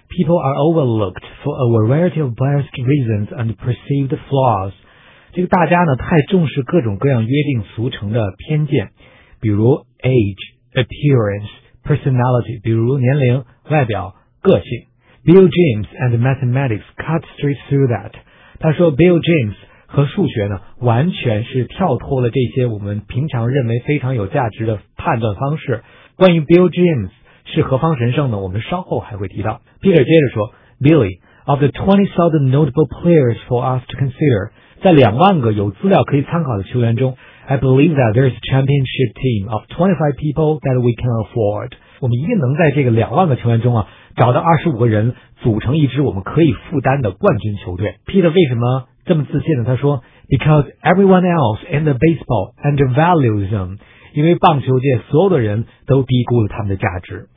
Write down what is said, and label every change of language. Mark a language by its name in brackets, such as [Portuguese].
[English] People are overlooked for a variety of biased reasons and perceived flaws. [Chinese] 这个大家呢太重视各种各样约定俗成的偏见，比如 [English] age, appearance, personality, [Chinese] 比如年龄、外表、个性。 [English] Bill James and mathematics cut straight through that. [Chinese] 他说 Bill James. 和数学呢，完全是跳脱了这些我们平常认为非常有价值的判断方式。关于 Bill James 是何方神圣呢？我们稍后还会提到。 [English] Peter 接着说 ，Billy, of the 20,000 notable players for us to consider, [Chinese] 在两万个有资料可以参考的球员中 [English] ，I believe that there is a championship team of 25 people that we can afford. [Chinese] 我们一定能在这个两万个球员中啊，找到25个人组成一支我们可以负担的冠军球队。 Peter 为什么？这么自信的他说 [English] Because everyone else in the baseball undervalues them. [Chinese] 因为棒球界所有的人都低估了他们的价值。